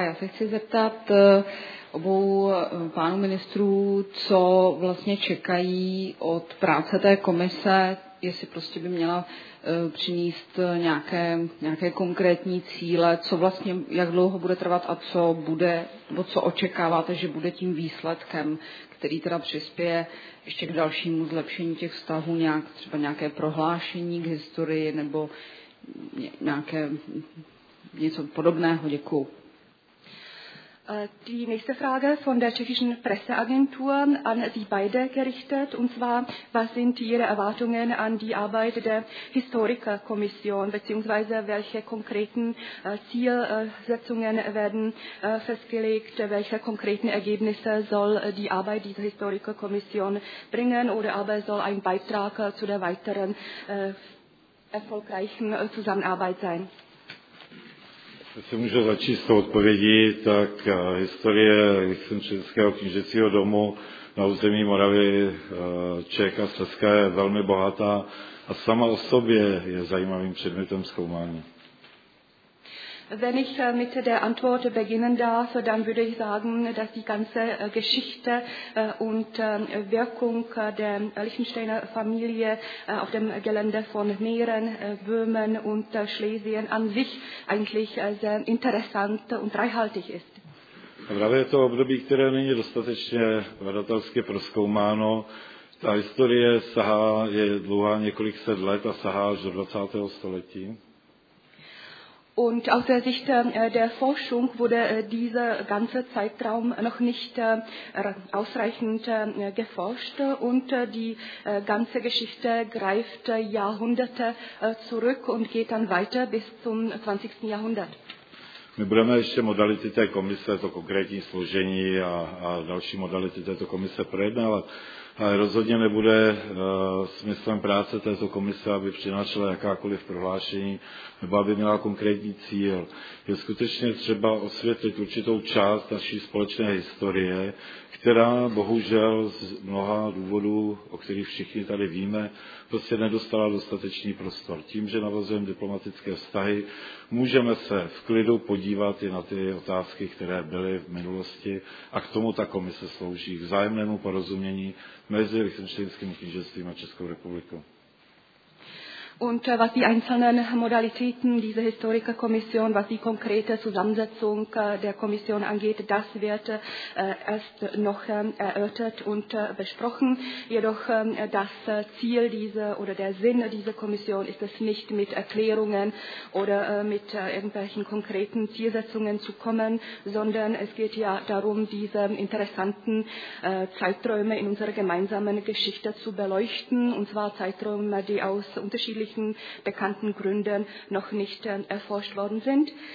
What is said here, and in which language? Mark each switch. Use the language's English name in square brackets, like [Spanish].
[Czech] Já se chci zeptat obou pánů ministrů, co vlastně čekají od práce té komise, jestli prostě by měla přinést nějaké konkrétní cíle, co vlastně, jak dlouho bude trvat a co bude, nebo co očekáváte, že bude tím výsledkem, který teda přispěje ještě k dalšímu zlepšení těch vztahů, nějak, třeba nějaké prohlášení k historii nebo nějaké něco podobného. Děkuju. [German] Die nächste Frage von der tschechischen Presseagentur an Sie beide gerichtet, und zwar, was sind Ihre Erwartungen an die Arbeit der Historikerkommission, beziehungsweise welche konkreten Zielsetzungen werden festgelegt, welche konkreten Ergebnisse soll die Arbeit dieser Historikerkommission bringen oder aber soll ein Beitrag zu der weiteren erfolgreichen Zusammenarbeit sein? [Czech] Já si můžu začít s tou odpovědí, tak historie Lichtenštejnského knížecího domu na území Moravy, Čech a Slezska je velmi bohatá a sama o sobě je zajímavým předmětem zkoumání. [German] Wenn ich mit der Antwort beginnen darf, dann würde ich sagen, dass die ganze Geschichte und Wirkung der Lichtensteiner Familie auf dem Gelände von Mähren, Böhmen und Schlesien an sich eigentlich sehr interessant und reichhaltig ist. [Czech] Právě je to období, které není dostatečně badatelsky prozkoumáno. Ta historie sahá, je dlouhá několik set let a sahá až do 20. století. [German] Und aus der Sicht der Forschung wurde dieser ganze Zeitraum noch nicht ausreichend geforscht und die ganze Geschichte greift Jahrhunderte zurück und geht dann weiter bis zum 20. Jahrhundert. [Czech] My budeme ještě modality té komise, to konkrétní složení a další modality této komise projednávat, ale rozhodně nebude smyslem práce této komise, aby přinášela jakákoliv prohlášení nebo aby měla konkrétní cíl. Je skutečně třeba osvětlit určitou část naší společné historie, která bohužel z mnoha důvodů, o kterých všichni tady víme, prostě nedostala dostatečný prostor. Tím, že navazujeme diplomatické vztahy, můžeme se v klidu podívat i na ty otázky, které byly v minulosti, a k tomu ta komise slouží, k vzájemnému porozumění mezi Lichtenštejnským knížectvím a Českou republikou. [German] Und was die einzelnen Modalitäten dieser Historikerkommission, was die konkrete Zusammensetzung der Kommission angeht, das wird erst noch erörtert und besprochen. Jedoch das Ziel dieser oder der Sinn dieser Kommission ist es nicht, mit Erklärungen oder mit irgendwelchen konkreten Zielsetzungen zu kommen, sondern es geht ja darum, diese interessanten Zeiträume in unserer gemeinsamen Geschichte zu beleuchten, und zwar Zeiträume, die aus unterschiedlichen bekannten Gründen noch nicht erforscht worden sind.